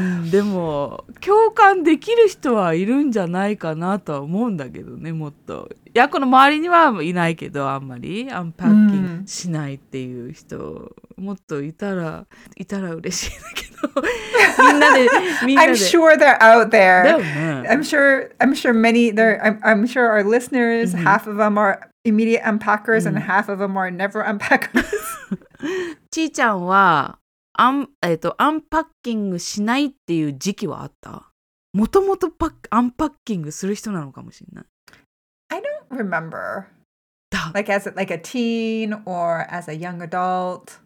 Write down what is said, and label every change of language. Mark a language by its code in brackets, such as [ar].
[ja] でも共感できる人はいるんじゃないかなとは思うんだけどね、もっと。いや、この周りにはいないけど、あんまりアンパッキングしないっていう人、もっといたら嬉しいんだけど。みんなで。 [en] I'm sure they're out there. [ja] だよね。 [en] I'm sure many, I'm sure our listeners, half of them are... Immediate unpackers and half of them are never unpackers. [ja] ちーちゃんはアンパッキングしないっていう時期はあった？もともとアンパッキングする人なのかもしれない。 [en] I don't remember. Like as like a teen or as a young adult.